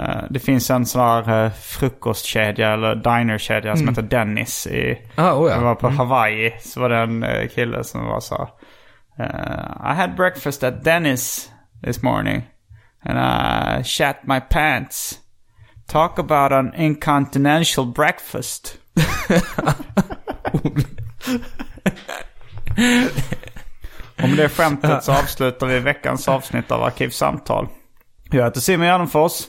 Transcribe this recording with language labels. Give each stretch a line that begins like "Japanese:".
Swedish: Det finns en sån här frukostkedja eller dinerkedja som heter Dennis. Det var på Hawaii. Så var det en kille som var så
English: I had breakfast at Dennis this morning and I shat my pants. Talk about an incontinential breakfast.
Swedish: Om det är skämtet så avslutar vi veckans avsnitt av Arkivsamtal. Jag heter Simon Järnfors.